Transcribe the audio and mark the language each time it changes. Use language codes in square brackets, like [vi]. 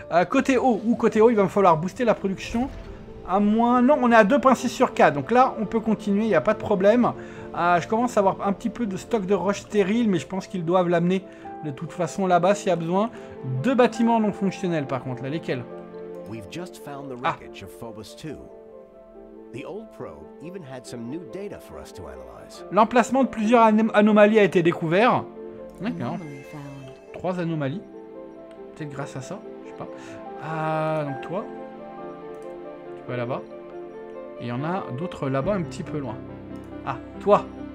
[fr] Côté haut, ou côté haut, il va me falloir booster la production. À moins... Non, on est à 2.6 sur 4. Donc là, on peut continuer, il n'y a pas de problème. Je commence à avoir un petit peu de stock de roches stériles, mais je pense qu'ils doivent l'amener de toute façon là-bas s'il y a besoin. Deux bâtiments non fonctionnels, par contre. Là, lesquels? [en] We've just found the wreckage of Phobos 2. The old probe even had some new data for us to analyze. [fr] L'emplacement de plusieurs anomalies a été découvert. D'accord. Trois anomalies. Peut-être grâce à ça, je sais pas. Donc toi, tu vas là-bas. Et il y en a d'autres là-bas un petit peu loin. Ah, toi.